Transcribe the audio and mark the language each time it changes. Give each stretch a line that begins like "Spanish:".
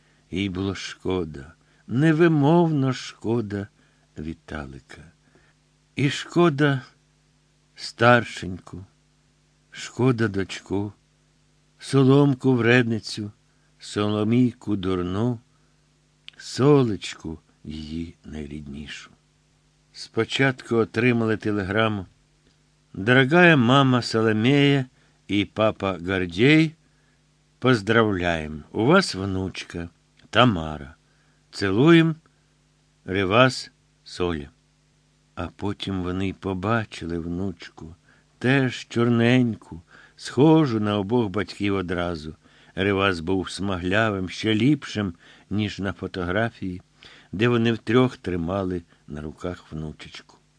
Ukrainian: Їй було шкода, невимовно шкода Віталика. І шкода старшеньку, шкода дочку, соломку вредницю, соломійку дурну, солечку її найріднішу. Спочатку отримали телеграму:
Russian: «Дорогая мама Соломея и папа Гордей, поздравляем, у вас внучка Тамара. Целуем, Ревас, Соля».
Ukrainian: А потім вони побачили внучку, теж чорненьку, схожу на обох батьків одразу. Ревас був смаглявим, ще ліпшим, ніж на фотографії, де вони втрьох тримали на руках внучечку.